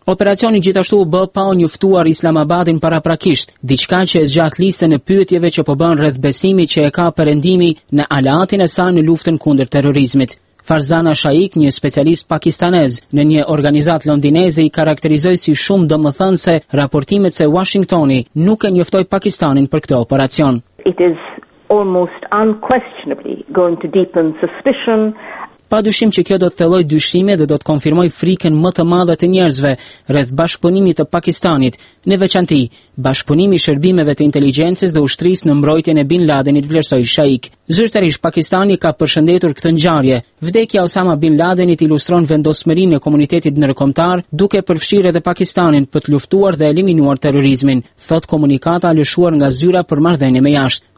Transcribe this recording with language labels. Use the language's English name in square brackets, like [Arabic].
[Albanian] Operacioni gjithashtu u bë pa u njoftuar Islamabadin paraprakisht, diçka që e zgjat listën e pyetjeve që po bën rreth besimit që e ka Perëndimi në aleatin e saj në luftën kundër terrorizmit. Farzana Shaik, një specialist pakistanez në një organizat londineze, i karakterizoi si shumë domethënëse raportimet se Washingtoni nuk e njoftoi Pakistanin për këtë operacion. [English] It is almost unquestionably going to deepen suspicion. [Albanian] Pa dyshim që kjo do të thelloj dyshime dhe do të konfirmoj frikën më të madhe të njerëzve rreth bashkëpunimit të Pakistanit, në veçanti, bashkëpunimi i shërbimeve të inteligjencës dhe ushtrisë në mbrojtjen e Bin Ladenit, vlersoi Shaik. Zyrtarisht Pakistani ka përshëndetur këtë ngjarje. Vdekja Osama Bin Ladenit ilustron vendosmërinë e komunitetit ndërkombëtar duke përfshirë edhe Pakistanin për të luftuar dhe eliminuar terrorizmin, thot komunikata lëshuar nga zyra për marrëdhënie me jashtë.